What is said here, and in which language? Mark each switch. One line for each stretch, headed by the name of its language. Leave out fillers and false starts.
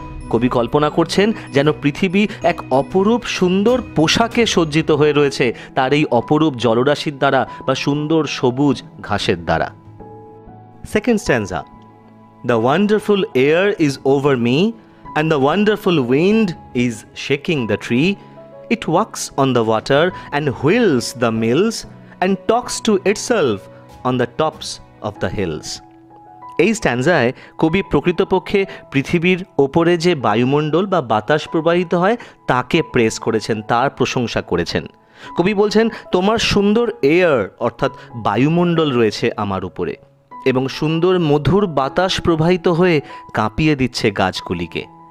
Bangla: কবি কল্পনা করছেন যেন পৃথিবী এক অপরূপ সুন্দর পোশাকে সজ্জিত হয়ে রয়েছে তার এই অপরূপ জলরাশির দ্বারা বা সুন্দর সবুজ ঘাসের দ্বারা।
English: Second stanza, the wonderful air is over me and the wonderful wind is shaking the tree. It walks on the water and wheels the mills and talks to itself on the tops of the hills.
Bangla: এই স্ট্যানজায় কবি প্রকৃতপক্ষে পৃথিবীর ওপরে যে বায়ুমণ্ডল বা বাতাস প্রবাহিত হয় তাকে প্রেস করেছেন, তার প্রশংসা করেছেন। কবি বলছেন তোমার সুন্দর এয়ার অর্থাৎ বায়ুমণ্ডল রয়েছে আমার উপরে এবং সুন্দর মধুর বাতাস প্রবাহিত হয়ে কাঁপিয়ে দিচ্ছে গাছগুলিকে।